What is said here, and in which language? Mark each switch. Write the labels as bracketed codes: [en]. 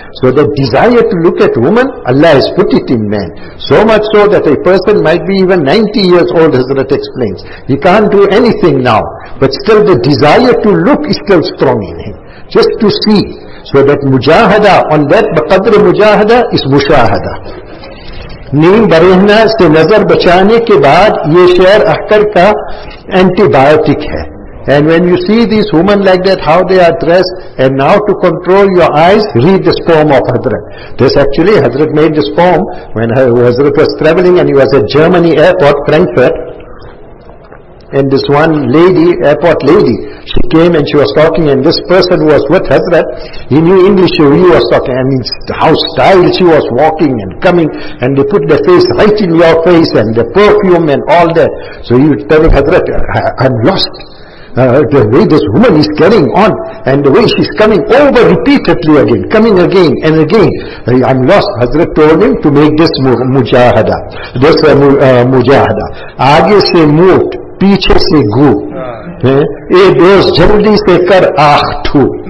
[en] So the desire to look at woman, Allah has put it in man. So much so that a person might be even 90 years old, Hazrat explains. He can't do anything now. But still the desire to look is still strong in him. Just to see. So that mujahada, on that qadr mujahada is mushahada. [ur] نیم برہنا سے نظر بچانے کے بعد یہ شعر اختر کا anti biotic ہے. [en] And when you see these women like that, how they are dressed, and now to control your eyes, read this poem of Hazrat. This actually, Hazrat made this poem when Hazrat was traveling and he was at Germany airport, Frankfurt. And this one lady, airport lady, she came and she was talking, and this person who was with Hazrat, he knew English, so he was talking, and how styled she was walking and coming, and they put the face right in your face, and the perfume and all that. So he would tell Hazrat, I'm lost. The way this woman is carrying on, and the way she's coming over repeatedly again, coming again and again, I'm lost. Hazrat told him to make this mujahada. This mujahada. [ur] Aage se moot, پیچھے سے گو اے دوست جلدی سے کر آخ ٹھو.